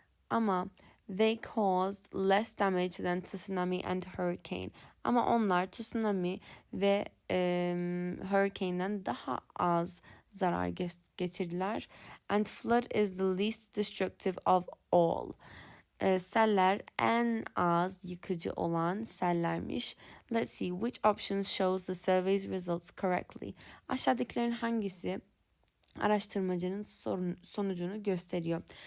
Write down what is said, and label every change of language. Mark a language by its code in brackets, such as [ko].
[en] Ama, they caused less damage than tsunami and hurricane. [tr] Ama onlar tsunami ve hurricane'den daha az zarar getirdiler. [en] And flood is the least destructive of all. [tr] Seller en az yıkıcı olan sellermiş. [en] Let's see which option shows the survey's results correctly. [tr] Aşağıdakilerin hangisi araştırmacının sonucunu gösteriyor?